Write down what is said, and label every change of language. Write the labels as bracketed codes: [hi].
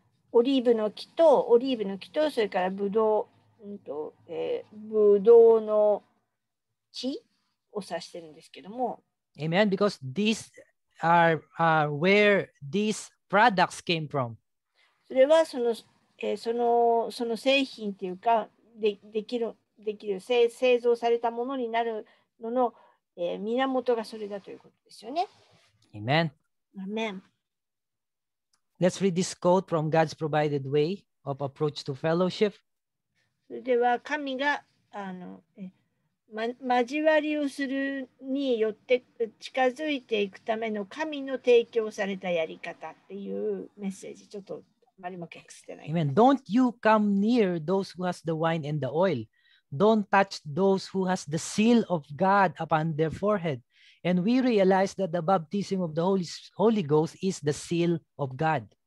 [ja] オリーブの木とオリーブの木とそれからブドウ、ブドウの木を指してるんですけども。 [en] Amen. Because these are where these products came from. [ja] それはその、その製品っていうかできる製造されたものになるのの、源がそれだということですよね。 [en] Amen. Amen. Let's read this quote from God's provided way of approach to fellowship. [ja] それでは神が交わりをするによって近づいていくための神の提供されたやり方っていうメッセージ、ちょっとあまりも訳してない。 [en] Amen. Don't you come near those who has the wine and the oil. Don't touch those who has the seal of God upon their forehead. And we realize that the baptism of the Holy Ghost is the seal of God.